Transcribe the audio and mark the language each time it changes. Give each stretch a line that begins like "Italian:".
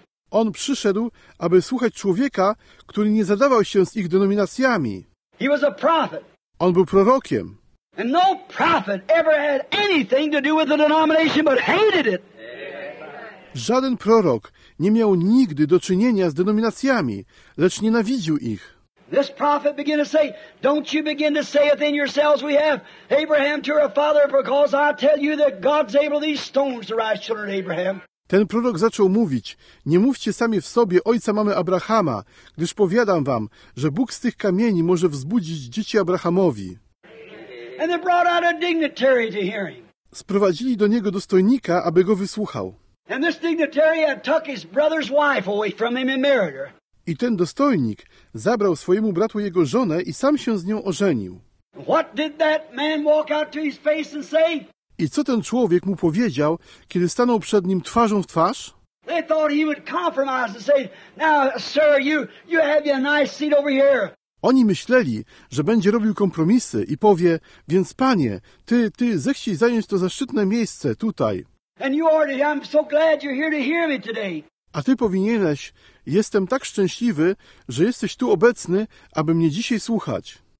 Polish: On przyszedł, aby słuchać człowieka, który nie zadawał się z ich denominacjami.
English: He was a prophet.
Polish: On był prorokiem.
English: And no prophet ever had anything to do with the denomination but hated it.
Polish: Żaden prorok nie miał nigdy do czynienia z denominacjami, lecz nienawidził ich.
English: This prophet began to say, don't you begin to say it in yourselves, we have Abraham to our father, because I tell you that God's able these stones to rise children of Abraham.
Polish: Ten prorok zaczął mówić, nie mówcie sami w sobie, ojca mamy Abrahama, gdyż powiadam wam, że Bóg z tych kamieni może wzbudzić dzieci Abrahamowi.
English: And they brought out a dignitary to hear him.
Polish: Sprowadzili do niego dostojnika, aby go wysłuchał.
English: And this dignitary had took his brother's wife away from him and married her.
Polish: I ten dostojnik zabrał swojemu bratu jego żonę i sam się z nią ożenił.
English: What did that man walk out to his face and say?
Polish: I co ten człowiek mu powiedział, kiedy stanął przed nim twarzą w twarz?
English: They thought he would compromise and say, now, sir, you have your nice seat over here.
Polish: Oni myśleli, że będzie robił kompromisy i powie, więc panie, ty zechciej zająć to zaszczytne miejsce tutaj.
English: And you are, I'm so glad you're here to hear me today.
Polish: A ty powinieneś, jestem tak szczęśliwy, że jesteś tu obecny, aby mnie dzisiaj słuchać.